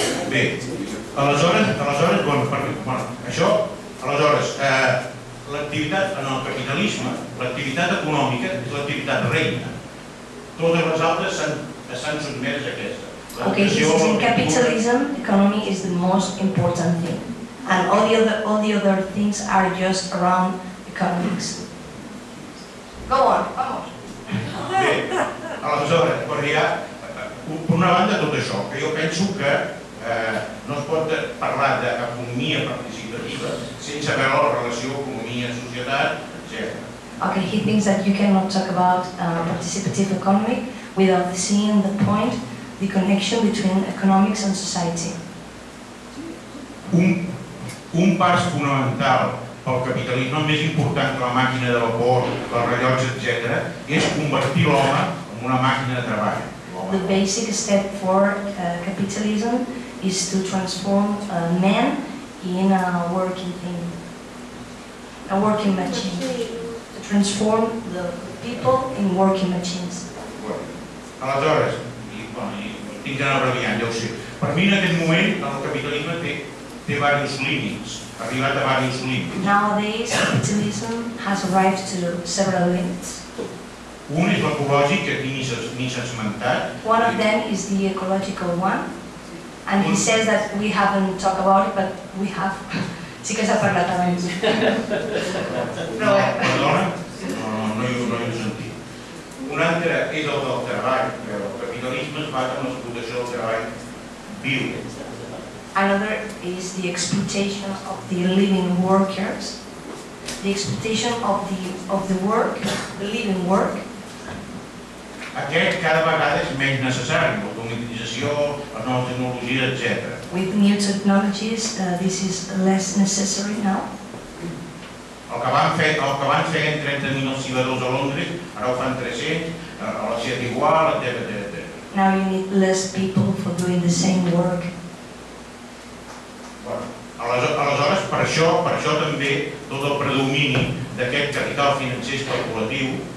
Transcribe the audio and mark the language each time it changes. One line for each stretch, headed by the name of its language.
Catalan: Bé, aleshores, bueno, l'activitat en el capitalisme, l'activitat econòmica és l'activitat reina. Totes les altres s'han sotmès a aquesta.
English: Okay, he says in capitalism, economy is the most important thing, and all the other things are just around economics. Go on, vamos.
Catalan: Aleshores, per dir, per una banda tot això, que jo penso que no es pot parlar d'economia participativa sense veure la relació economia-societat, etc.
English: Okay, he thinks that you cannot talk about participative economy without seeing the point, the connection between economics and society.
Catalan: Un pas fonamental pel capitalisme, més important que la màquina de vapor, els rellotges, etc., és convertir l'home en una màquina de treball.
English: The basic step for capitalism is to transform a man in a working thing, a working machine. To transform the people in working machines.
Catalan: Aleshores, tinc d'anar abreviant, ja ho sé. Per mi, en aquest moment, el capitalisme té diversos límits. Ha arribat a diversos límits.
English: Nowadays, capitalism has arrived to several limits.
Catalan: Un és l'ecològic, que aquí ni s'ha esmentat.
English: One of them is the ecological one. And he says that we haven't talked about it, but we have.
Catalan: Sí que s'ha parlat abans. No, perdona, no hi ho sentit. Un altre és el del treball, però el capitalisme es basa en l'explotació del treball viu.
English: Another is the exploitation of the living workers. The exploitation of the work, the living work.
Catalan: Aquest cada vegada és menys necessari, l'automatització, la nova tecnologia, etc.
English: With new technologies, this is less necessary now.
Catalan: El que van fer en 30.000 oscil·ladors a Londres, ara ho fan 300, a la ciutat igual, etc.
English: Now you need less people for doing the same work.
Catalan: Bueno, aleshores, per això també, tot el predomini d'aquest capital financer especulatiu,